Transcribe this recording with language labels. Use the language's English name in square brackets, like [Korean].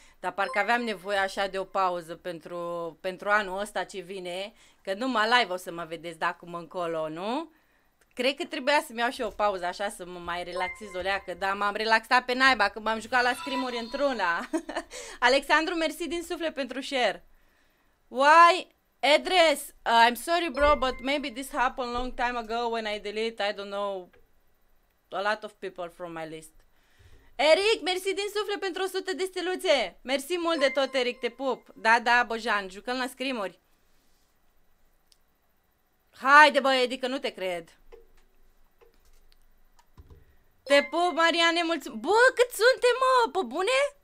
[Romanian] Dar parcă aveam nevoie așa de o pauză pentru anul ăsta ce vine, că numai live o să mă vedeți de acum încolo, nu? Cred că trebuia să-mi iau și o pauză așa, să mă mai relaxez o leacă, dar m-am relaxat pe naiba când m-am jucat la scrimuri într-una. Alexandru, mersi din suflet pentru share. [English] Why? Address? I'm sorry bro, but maybe this happened long time ago when I deleted, I don't know, a lot of people from my list. [Romanian] Eric, mersi din suflet pentru 100 de steluțe. Mersi mult de tot, Eric, te pup. Da, da, Bojan, jucăm la scrimuri. Haide bă, Edi, că nu te cred. Te pup, Mariane, mulțumesc. Bă, cât suntem, mă, pe bune?